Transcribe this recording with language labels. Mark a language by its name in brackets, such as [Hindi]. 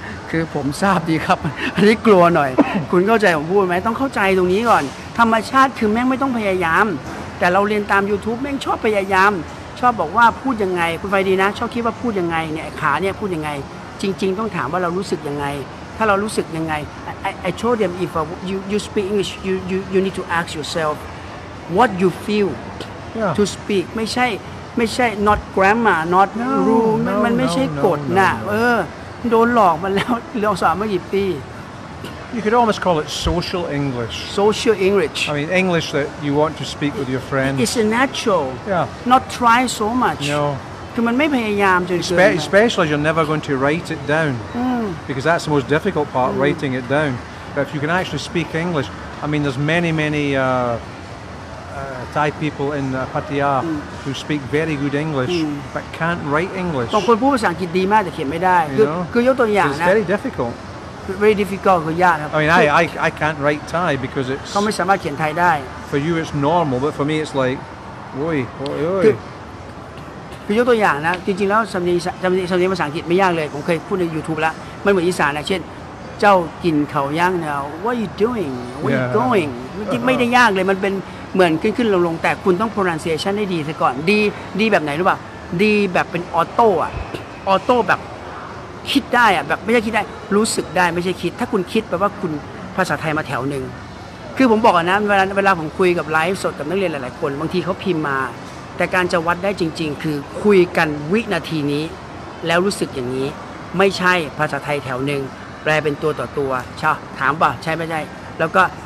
[Thai] คือผมทราบดีครับอันนี้กลัวหน่อย คุณเข้าใจผมพูดไหมต้องเข้าใจตรงนี้ก่อนธรรมชาติคือแม่งไม่ต้องพยายามแต่เราเรียนตาม YouTube แม่งชอบพยายามชอบบอกว่าพูดยังไงคุณไปดีนะชอบคิดว่าพูดยังไงเนี่ยขาเนี่ยพูดยังไงจริงๆต้องถามว่าเรารู้สึกยังไงถ้าเรารู้สึกยังไง [English] I told them if you speak English you need to ask yourselfWhat you feel yeah. to speak [Thai] ไม่ใช่ [English] not grammar not no, rule no, [Thai] มัน ไม่ ใช่ กฎนะโดนหลอกมาแล้วเรียนสอนมากี่ปี [English] You could almost call it social English social English I mean English that you want to speak with your friends it's a natural yeah not try so much no [Thai] คือมันไม่พยายามจนเกิน [English] especially you're never going to write it down because that's the most difficult part writing it down but if you can actually speak English I mean there's many Thai people in Pattaya who speak very good English but can't write English. [Thai] บางคนพูดภาษาอังกฤษดีมากแต่เขียนไม่ได้คือยกตัวอย่างนะ [English] It's very difficult. Very difficult [Thai] คือยากครับ [English] I mean I can't write Thai because it's [Thai] เขาไม่สามารถเขียนไทยได้ [English] For you it's normal but for me it's like โอ้ย [Thai] คือยกตัวอย่างนะจริงๆแล้วสำเนียงภาษาอังกฤษไม่ยากเลยผมเคยพูดใน YouTube แล้วมันเหมือนอีสานนะเช่นเจ้ากินข้าวย่างแล้ว [English] What are you doing? Where are you going? Yeah. [Thai] ไม่ได้ยากเลยมันเป็นเหมือนขึ้นลงๆแต่คุณต้อง pronunciation ให้ดีซะก่อนดีแบบไหนรู้ป่ะดีแบบเป็นออโต้อะออโต้แบบคิดได้อะแบบไม่ใช่คิดได้รู้สึกได้ไม่ใช่คิดถ้าคุณคิดแปลว่าคุณภาษาไทยมาแถวนึงคือผมบอกนะเวลาผมคุยกับไลฟ์สดกับนักเรียนหลายๆคนบางทีเขาพิมพ์มาแต่การจะวัดได้จริงๆคือคุยกันวินาทีนี้แล้วรู้สึกอย่างนี้ไม่ใช่ภาษาไทยแถวนึงแปลเป็นตัวต่อตัวใช่ถามป่ะใช่ไม่ใช่แล้วก็